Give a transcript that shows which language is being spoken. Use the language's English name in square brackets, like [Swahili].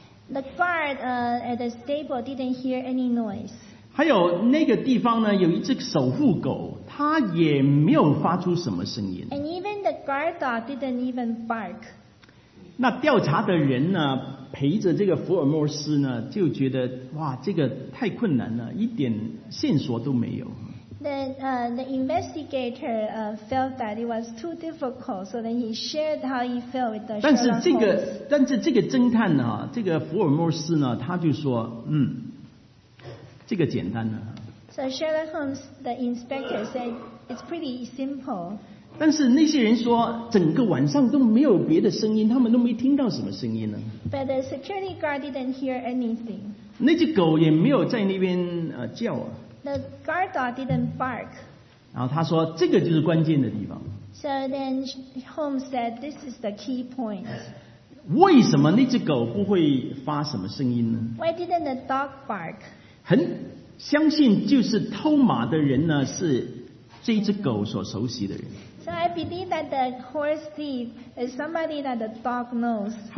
[English] The guard at the stable didn't hear any noise. [Chinese] 还有那个地方呢, 有一只守护狗, 他也没有发出什么声音。 [English] And even the guard dog didn't even bark. [Chinese] 那调查的人呢, 陪着这个福尔摩斯呢, 就觉得, 哇, 这个太困难了, 一点线索都没有。 [English] The investigator felt that it was too difficult, so then he shared how he felt with the Sherlock Holmes. [Chinese] 但是这个侦探呢, 这个福尔摩斯呢, 他就说, 这个简单了。 [English] So Sherlock Holmes, the inspector, said it's pretty simple. [Chinese] 但是那些人说, 整个晚上都没有别的声音, 他们都没听到什么声音呢。 [English] But the security guard didn't hear anything. [Chinese] 那只狗也没有在那边, 叫啊。 [English] The guard dog didn't bark. [Chinese] 然后他说, 这个就是关键的地方。 [English] So then Holmes said, this is the key point. [Chinese] 为什么那只狗不会发什么声音呢? [English] Why didn't the dog bark? [Chinese] 很相信就是偷马的人呢, 是这只狗所熟悉的人。 [English] So I believe that the horse thief is somebody that the dog knows.